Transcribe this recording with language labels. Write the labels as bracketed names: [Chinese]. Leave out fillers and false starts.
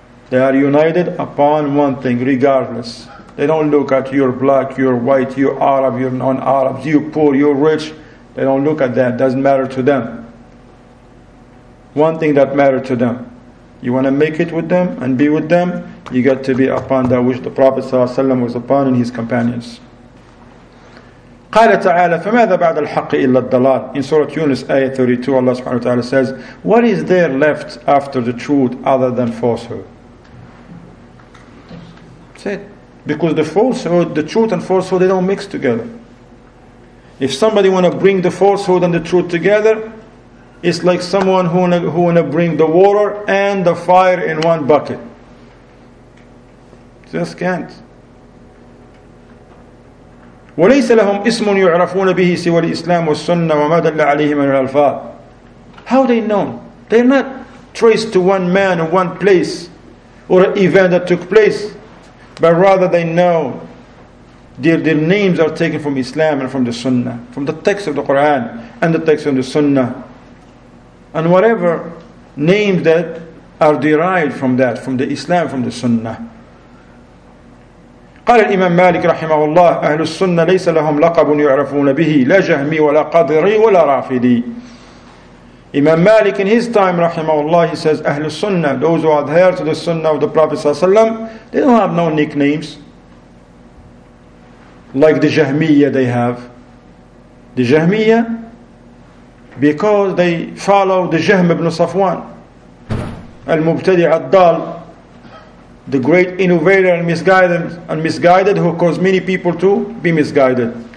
[English] They are united upon one thing, regardless. They don't look at you're black, you're white, you're Arab, you're non-Arab, you're poor, you're rich. They don't look at that. Doesn't matter to them. One thing that matters to them. You want to make it with them and be with them, you got to be upon that which the Prophet ﷺ was upon and his companions. [Arabic] قال تعالى فماذا بعد الحق إلا الضلال. [English] In Surah Yunus ayah 32, Allah subhanahu wa ta'ala says, what is there left after the truth other than falsehood? That's it. Because the falsehood, the truth and falsehood, they don't mix together. If somebody want to bring the falsehood and the truth together, it's like someone who want to bring the water and the fire in one bucket. Just can't. [Arabic] وَلَيْسَ لَهُمْ إِسْمٌ يُعْرَفُونَ بِهِ سِوَى الْإِسْلَامُ وَالسُّنَّةُ وَمَا دَلَّ عَلَيْهِمَ الْأَلْفَاظِ. [English] How they know? They're not traced to one man or one place or an event that took place, but rather they know their names are taken from Islam and from the Sunnah, from the text of the Quran and the text of the Sunnah. And whatever names that are derived from that, from the Islam, from the Sunnah. [Arabic] قال الإمام مالك رحمه الله أهل السنة ليس لهم لقب يعرفون به لا جهمي ولا قدري ولا رافدي. [English] Imam Malik in his time, rahimahullah, he says, Ahlul Sunnah, those who adhere to the Sunnah of the Prophet sallallahu alaihi wasallam, they don't have no nicknames. Like the Jahmiyya they have. The Jahmiyya, because they follow the Jahm ibn Safwan, Al-Mubtadi Ad-Dal, the great innovator and misguided, who caused many people to be misguided.